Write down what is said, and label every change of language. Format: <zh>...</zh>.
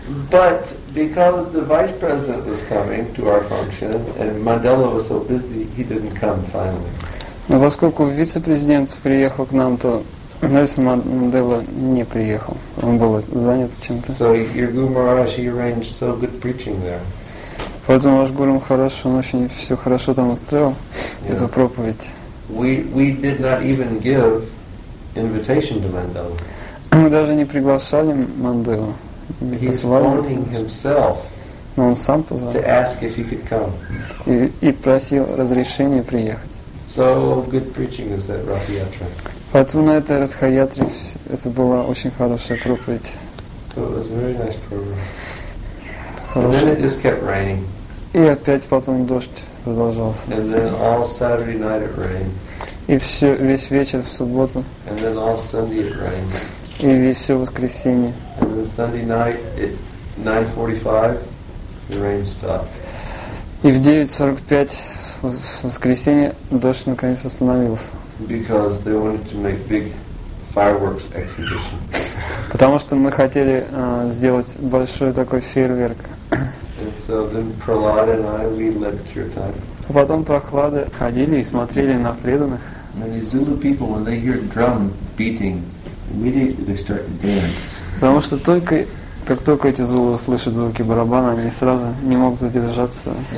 <en>But because the vice president was coming to our function and Mandela was so busy, he didn't come finally.</en> <ru>Но поскольку вице-президент приехал к нам, то Нельсон Мандела не приехал. Он был занят чем-то.</ru> <en>So your Guru Maharaj, he arranged so good preaching there.</en> <ru>Поэтому ваш Гуру Махарадж, он очень все хорошо там устроил, yeah. Эту проповедь.</ru> <en>We did not even give invitation to Mandela.</en> <ru>Мы даже не приглашали Манделу.</ru> <en>He's phoning himself.</en> <ru>Но он сам позвал.</ru> <en>To ask if he could come.</en> <ru>И просил разрешения приехать.</ru> <en>So good preaching is that Rathiyatra.</en> <ru>Поэтому на этой Ратхаятре это была очень хорошая проповедь.</ru> <en>So it was a very nice program. And then it just kept raining.</en> <ru>И опять потом дождь продолжался.</ru> <en>And then all Saturday night it rained.</en> <ru>И все весь вечер в субботу.</ru> <en>And then all Sunday it rained.</en> <ru>И все воскресенье.</ru> <en>And then Sunday night at 9:45 the rain stopped.</en> <ru>И в 9:45 в воскресенье дождь наконец остановился.</ru> <en>Because they wanted to make big fireworks exhibition.</en> <ru>Потому что мы хотели сделать большой такой фейерверк.</ru> <en>And so then Prahlad and I, we led kirtan.</en> <ru>А потом Прохлады ходили и смотрели на преданных.</ru> <en>And the Zulu people, when they hear drum beating, immediately they start to dance.</en> <ru>Потому что только как только эти звуки услышат звуки барабана, они сразу не могут задержаться.</ru>